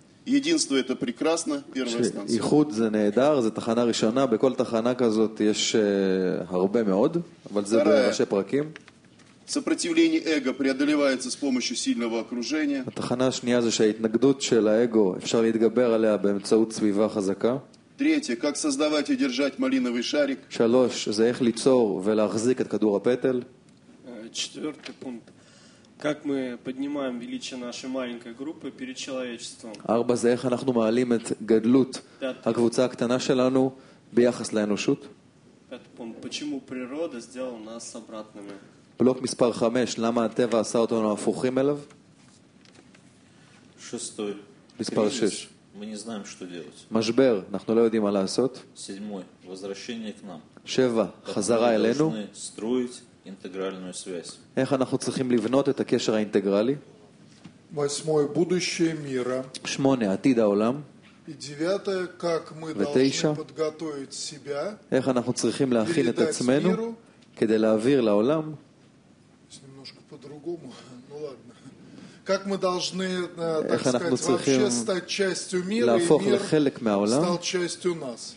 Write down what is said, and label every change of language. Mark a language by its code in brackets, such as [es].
[ru] Единство это прекрасно, первая станция. [he] Ихуд זה נהדר, זה תחנה ראשונה, בכל תחנה כזאת יש הרבה מאוד, אבל זה בראשי פרקים. [ru] Сопротивление эго преодолевается с помощью сильного окружения. [he] התחנה השנייה זה שההתנגדות של האגו אפשר להתגבר עליה באמצעות סביבה חזקה. [ru] Третье, как создавать и держать малиновый шарик. [he] שלוש, זה איך ליצור ולהחזיק את כדור הפטל. [ru] Четвертый пункт. Как мы поднимаем величие нашей маленькой группы перед человечеством? [he] Арба זה איך אנחנו מעלים את גדלות הקבוצה הקטנה שלנו ביחס לאנושות? [ru] Почему природа сделала нас обратными? [he] בלוק מספר 5, למה הטבע עשה אותנו הפוכים אליו? [ru] Шестой. [he] מספר 6. [ru] Мы не знаем, что делать. [he] משבר, אנחנו לא יודעים מה לעשות. [ru] Седьмой. Возвращение к нам. [he] שבע, חזרה אלינו. [ru] Интегральную связь. [he] איך אנחנו צריכים לבנות את הקשר האינטגרלי? [ru] Восьмое. Будущее мира. [he] שמונה, עתיד העולם. [ru] И девятое. Как мы должны подготовить себя. [he] איך אנחנו צריכים להכין את עצמנו כדי להעביר לעולם. [ru] немножко по-другому. Ну ладно. Как мы должны, так сказать, вообще стать частью мира и мир стал частью нас.